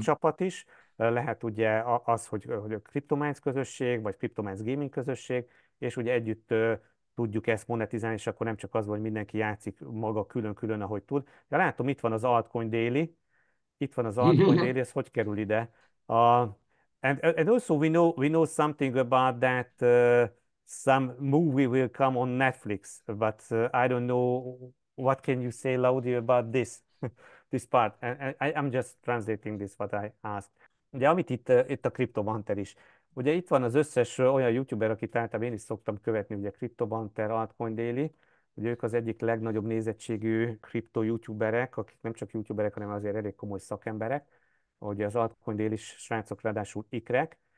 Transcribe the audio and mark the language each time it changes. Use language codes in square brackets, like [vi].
[hu] Csapat is, lehet ugye az, hogy a CryptoMinds közösség, vagy CryptoMinds gaming közösség, és ugye együtt tudjuk ezt monetizálni, és akkor nem csak az, hogy mindenki játszik maga külön-külön, ahogy tud. De látom, itt van az altcoin daily, itt van az altcoin daily, ez hogy kerül ide? [en] And also we know something about that some movie will come on Netflix, but I don't know what can you say loudly about this part. I'm just translating this what I asked. [hu] Ugye amit itt a Cryptobanter is. Ugye itt van az összes olyan YouTuber, akit általában én is szoktam követni, ugye Cryptobanter, Altcoin Daily. Ugye ők az egyik legnagyobb nézettségű kripto YouTuberek, akik nem csak YouTuberek, hanem azért elég komoly szakemberek. Ugye az Altcoin Daily is srácok, ráadásul ikrek,